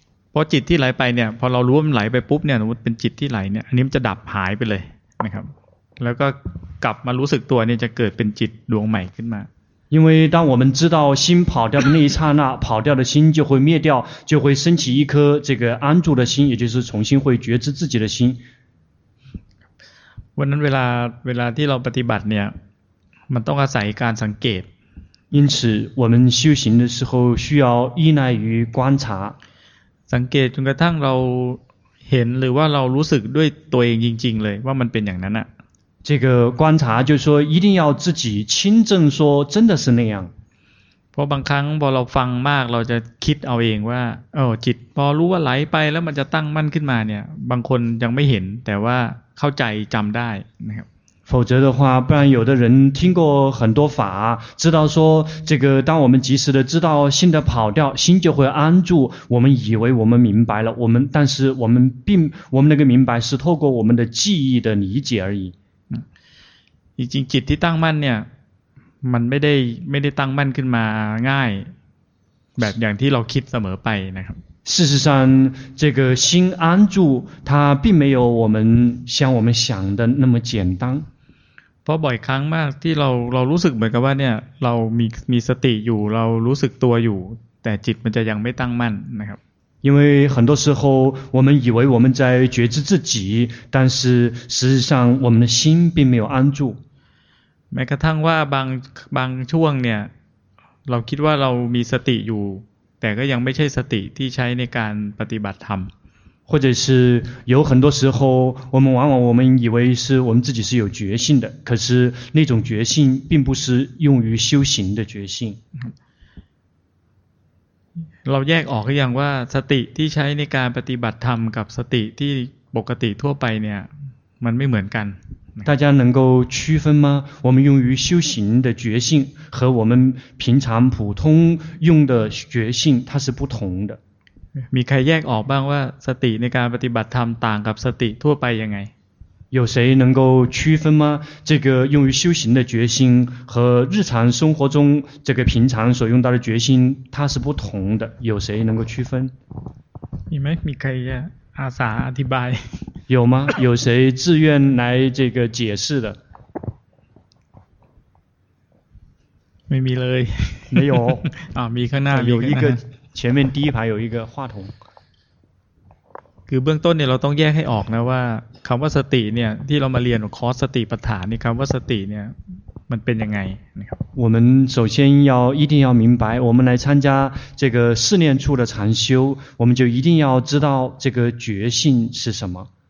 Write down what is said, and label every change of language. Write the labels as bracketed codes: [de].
[th] เพราะจิตที่ไหลไปเนี่ยพอเรารู้ว่ามันไหลไปปุ๊บเนี่ยมันเป็นจิตที่ไหลเนี่ยอันนี้มันจะดับหายไปเลยนะครับแล้วก็กลับมารู้สึกตัวเนี่ยจะเกิดเป็นจิตดวงใหม่ขึ้นมา [zh] 因为当我们知道心跑掉的那一刹那跑掉的心就会灭掉就会升起一颗这个安住的心也就是重新会觉知自己的心 [th] วันนั้นเวลาที่เราปฏิบัติเนี่ยมันต้องอาศัยการสังเกต [zh] 因此我们修行的时候需要依赖于观察 [th] สังเกตจนกระทั่งเราเห็นหรือว่าเรารู้สึกด้วยตัวเองจริงๆเลยว่ามันเป็นอย่างนั้นอะ [zh] 这个观察就是说一定要自己亲证说真的是那样 [th] เพราะบางครั้งพอเราฟังมากเราจะคิดเอาเองว่าเออจิตพอรู้ว่าไหลไปแล้วมันจะตั้งมั่นขึ้นมาเนี่ยบางคนยังไม่เห็นแต่ว่าเข้าใจจำได้นะครับ [zh] 否则的话不然有的人听过很多法知道说这个当我们及时的知道心的跑掉心就会安住我们以为我们明白了我们但是我们并我们那个明白是透过我们的记忆的理解而已 [th] จริงจิตที่ตั้งมั่นเนี่ยมันไม่ได้ตั้งมั่นขึ้นมาง่ายแบบอย่างที่เราคิดเสมอไปนะครับ [zh] 事实上这个心安住它并没有我们像我们想的那么简单 [th] เพราะบ่อยครั้งมากที่เรารู้สึกเหมือนกับว่าเนี่ยเรามีสติอยู่เรารู้สึกตัวอยู่แต่จิตมันจะยังไม่ตั้งมั่นนะครับ [zh] 因为很多时候我们以为我们在觉知自己但是实际上我们的心并没有安住 [th] แม้กระทั่งว่าบางช่วงเนี่ยเราคิดว่าเรามีสติอยู่แต่ก็ยังไม่ใช่สติที่ใช้ในการปฏิบัติธรรม [zh] 或者是有很多时候我们往往以为是我们自己是有觉性的可是那种觉性并不是用于修行的觉性 [th] เราแยกออกหรือยังว่าสติที่ใช้ในการปฏิบัติธรรมกับสติที่ปกติทั่วไปเนี่ยมันไม่เหมือนกัน [zh] 大家能够区分吗我们用于修行的觉性和我们平常普通用的觉性它是不同的 [th] มีใครแยกออกบ้างว่าสติในการปฏิบัติธรรมต่างกับสติทั่วไปยังไง [zh] 有谁能够区分吗这个用于修行的觉性和日常生活中这个平常所用到的觉性它是不同的有谁能够区分 [th] มีไหมมีใครอาสาอธิบาย [zh] 有吗有谁自愿来这个解释的 [th] ไม่มีเลย [zh] 没有 [th] มีข้างหน้า [zh] 有一个前面第一排有一个话筒 [th] คือเบื้องต้นเนี่ยเราต้องแยกให้ออกนะว่าคำว่าสติเนี่ยที่เรามาเรียนคอร์สสติปัฏฐานนี่คำว่าสติเนี่ย มันเป็นยังไง [zh] 我们首先要一定要明白我们来参加这个四念处的禅修我们就一定要知道这个觉性是什么